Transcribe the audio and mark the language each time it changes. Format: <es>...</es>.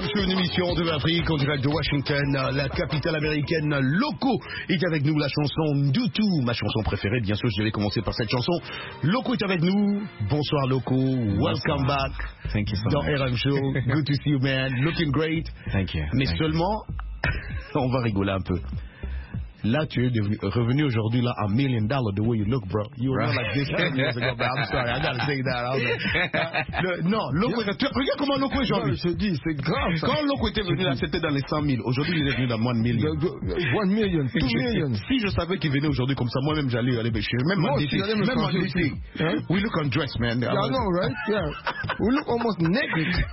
<fr>émission de l'Afrique en direct de Washington, la capitale américaine Loco est avec nous, la chanson Ndoutou, ma chanson préférée, bien sûr je devais commencer par cette chanson. Loco est avec nous, bonsoir Loco,</fr> <en>welcome back. Thank you so much.</en> <fr>Dans</fr> <en>RM Show, good to see you man, looking great. Thank you.</en> <fr>Mais</fr> <en>thank</en> <fr>seulement, on va rigoler un peu. Là, tu es revenu aujourd'hui là</fr> <en>$1 million the way you look, bro. You were like this 10 years ago, but I'm sorry, I gotta say that.</en> <fr>Non, Loco, regarde comment Loco est aujourd'hui. Je dis, c'est grave. Quand Loco était venu là, c'était dans les 100 000. Aujourd'hui, il est venu dans moins de 1 million. 1 million, 2 million. Si je savais qu'il venait aujourd'hui comme ça, moi-même, j'allais aller bêcher. Même en DC. Même en DC.</fr> <en>We look undressed, man. Yeah, I know, right? Yeah. We look almost naked.</en>